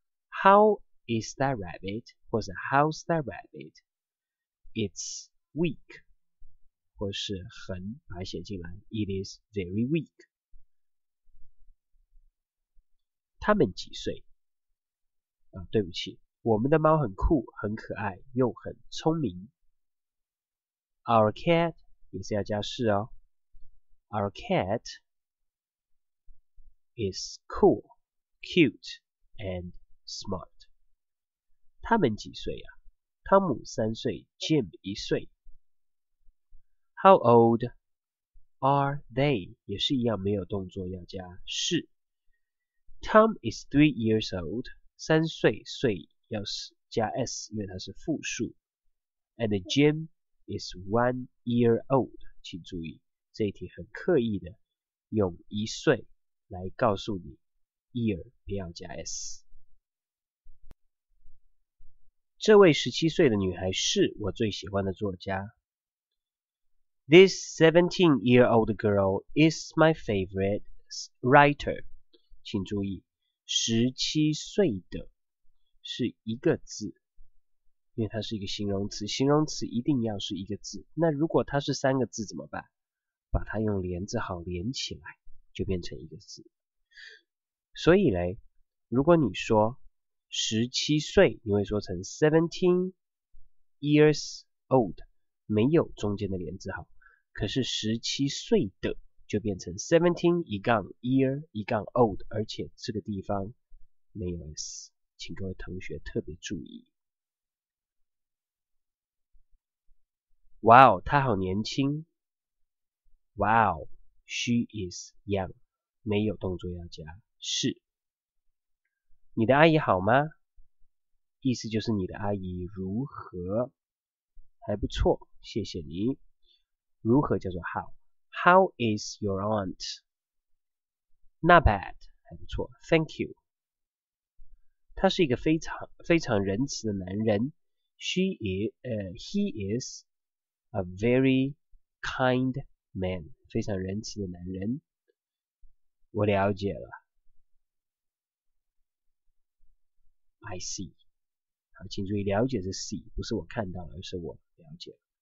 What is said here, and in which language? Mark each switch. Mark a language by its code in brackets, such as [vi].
[en] How is that rabbit？或是 How's that rabbit？It's weak，或是很，把它写进来。 It is very weak。 [zh] 他们几岁？对不起，我们的猫很酷、很可爱又很聪明。 Our cat 也是要加是哦。 [en] Our cat is cool, cute, and smart. [zh] 他们几岁呀？汤姆3岁，Jim 1岁。 [en] How old are they? [zh] 也是一样，没有动作，要加是。 Tom is 3 years old, 3岁，岁要加 s，因为它是复数。 [en] And Jim is 1 year old，请注意。 [zh] 这一题很刻意的用一岁来告诉你，year 不要加 s。这位17岁的女孩是我最喜欢的作家。 [en] This 17-year-old girl is my favorite writer。 [zh] 请注意，17岁的是一个字，因为它是一个形容词，形容词一定要是一个字。那如果它是三个字怎么办？把它用连字号连起来，就变成一个字。所以嘞，如果你说17岁，你会说成 17 years old，没有中间的连字号。可是17岁的就变成 17-year-old，而且这个地方没有 s，请各位同学特别注意。哇哦，他好年轻！ [en] Wow, she is young. 没有动作要加是。 [zh] 你的阿姨好吗？意思就是你的阿姨如何？还不错，谢谢你。如何叫做 how？ [en] How is your aunt？ Not bad，还不错。 Thank you。 [zh] 他是一个非常仁慈的男人。 [en] He is a very kind man，非常仁慈的男人。 [zh] 我了解了。 I see。好，请注意，了解是 see， 不是我看到了，而是我了解了。